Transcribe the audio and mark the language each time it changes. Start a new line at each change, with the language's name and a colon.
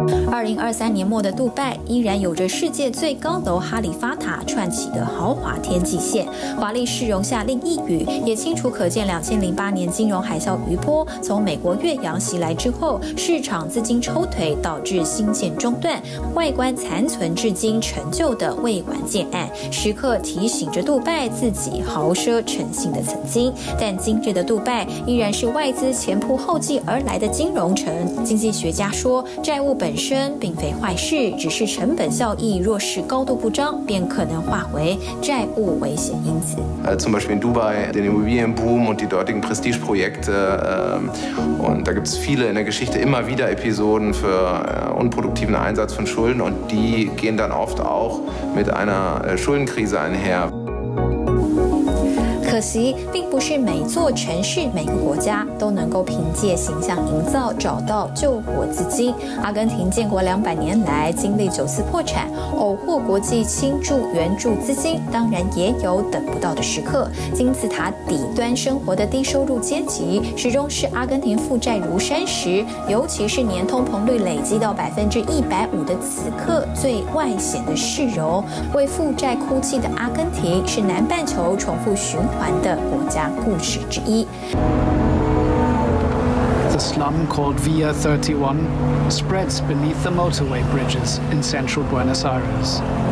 Chinese: 2023年末的杜拜依然有着世界最高楼哈利法塔串起的豪华天际线，华丽市容下另一隅也清楚可见2008年金融海啸余波从美国越洋袭来之后，市场资金抽腿导致新建中断，外观残存至今陈旧的未完建案，时刻提醒着杜拜自己豪奢成性的曾经。但今日的杜拜依然是外资前仆后继而来的金融城。经济学家说，债务本身并非坏事，只是成本效益若是高度不彰，便可能化为债务危险因子。
German: Zum Beispiel in Dubai, den Immobilienboom und die dortigen Prestigeprojekte, und da gibt es viele in der Geschichte immer wieder Episoden für unproduktiven Einsatz von Schulden, und die gehen dann oft auch mit einer Schuldenkrise einher.
Chinese: 可惜并不是每座城市每个国家都能够凭借形象营造找到救国资金。阿根廷建国200年来经历九次破产，偶获国际倾注援助资金，当然也有等不到的时刻。金字塔底端生活的低收入阶级始终是阿根廷负债如山时，尤其是年通膨率累积到150%的此刻最外显的市容。为负债哭泣的阿根廷是南半球重复循环的国家故事之一。
English: The slum called Via 31 spreads beneath the motorway bridges in central Buenos Aires.